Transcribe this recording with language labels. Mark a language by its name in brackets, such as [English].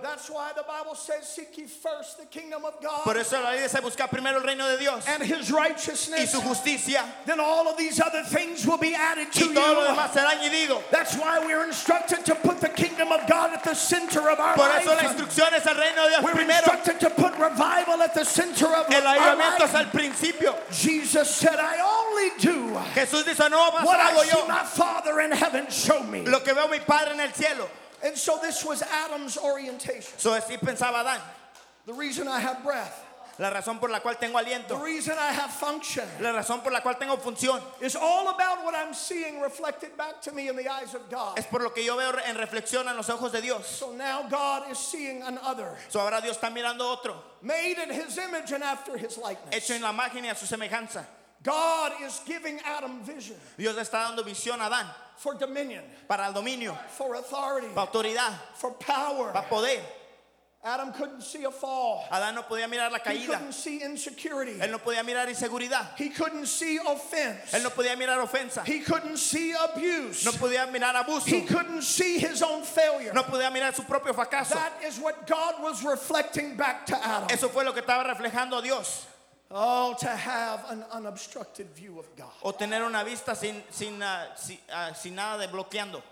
[English] That's why the Bible says, seek ye first the kingdom of God. [Spanish] Por eso la Biblia dice buscar primero el reino de Dios. [English] And his righteousness. [Spanish] Y su justicia. [English] Then all of these other things will be added to you. [Spanish] Y todo lo demás será añadido. [English] That's why we're instructed to put the kingdom of God at the center of our life. [Spanish] Por eso la instrucción es el reino de Dios primero. [English] We're instructed to put revival at the center of our life. [Spanish] El avivamiento es al principio. principio. [English] Jesus said, I only do [Spanish] Jesús dice, no, más [English] what [Spanish] hago [English] I [Spanish] yo. [English] See my Father in heaven show me. [Spanish] Lo que veo mi padre en el cielo. [English] And so this was Adam's orientation. [Spanish] So así pensaba Adán. [English] The reason I have breath. [Spanish] La razón por la cual tengo aliento. [English] The reason I have function. [Spanish] La razón por la cual tengo función. [English] Is all about what I'm seeing reflected back to me in the eyes of God. [Spanish] Es por lo que yo veo en reflexión en los ojos de Dios. [English] So now God is seeing another. [Spanish] So ahora Dios está mirando otro. [English] Made in His image and after His likeness. [Spanish] Hecho en la imagen y a su semejanza. [English] God is giving Adam vision. [Spanish] Dios está dando visión a Adán. [English] For dominion. [Spanish] Para el dominio. [English] For authority. [Spanish] Para autoridad. [English] For power. [Spanish] Para poder. [English] Adam couldn't see a fall. [Spanish] Adán no podía mirar la caída. [English] He couldn't see insecurity. [Spanish] Él no podía mirar inseguridad. [English] He couldn't see offense. [Spanish] Él no podía mirar ofensa. [English] He couldn't see abuse. [Spanish] No podía mirar abuso. [English] He couldn't see his own failure. [Spanish] No podía mirar su propio fracaso. [English] That is what God was reflecting back to Adam. [Spanish] Eso fue lo que estaba reflejando a Dios. [English] Oh, to have an unobstructed view of God. [Spanish] O tener una vista sin nada de bloqueando.